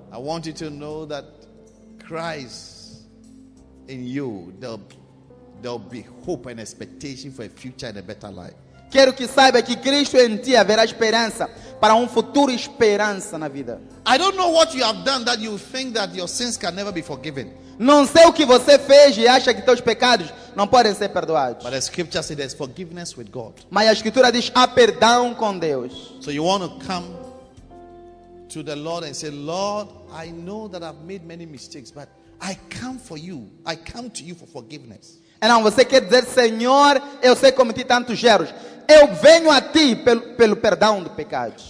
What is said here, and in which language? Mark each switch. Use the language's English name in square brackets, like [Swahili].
[English] I want you to know that Christ in you, there'll be hope and expectation for a future and a better life. [Portuguese] Quero que saiba que Cristo em ti haverá esperança para futuro, esperança na vida. [English] I don't know what you have done that you think that your sins can never be forgiven. [Portuguese] Não sei o que você fez e acha que teus pecados não podem ser perdoados. [English] But the scripture says there's forgiveness with God. [Portuguese] Mas a escritura diz há perdão com Deus. [English] So you want to come to the Lord and say, Lord, I know that I've made many mistakes, but I come for you. I come to you for forgiveness. [Portuguese] Então você quer dizer, Senhor, eu sei que cometi tantos erros. Eu venho a ti pelo perdão do pecado.